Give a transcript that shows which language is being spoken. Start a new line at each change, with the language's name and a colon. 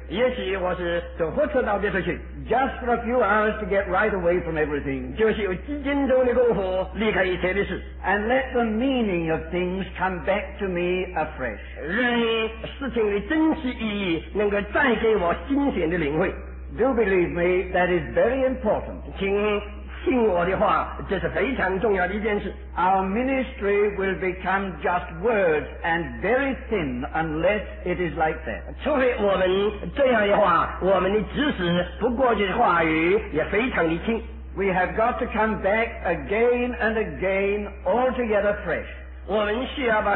Chinese: 也许我是走火车到别处去。
English: Just for a few hours to get right away from everything.
Chinese: 就是有几分钟的功夫离开一切的事。
English: And let the meaning of things come back to me afresh.
Chinese: 让事情的真实意义能够再给我新鲜的领会。
English: Do believe me, that is very important.
Chinese: 听我的话, 这是非常重要的一件事。
English: Our ministry will become just words and very thin unless it is like that.
Chinese: 除非我们这样的话, 我们的知识不过就是话语也非常的轻。
English: We have got to come back again and again altogether fresh.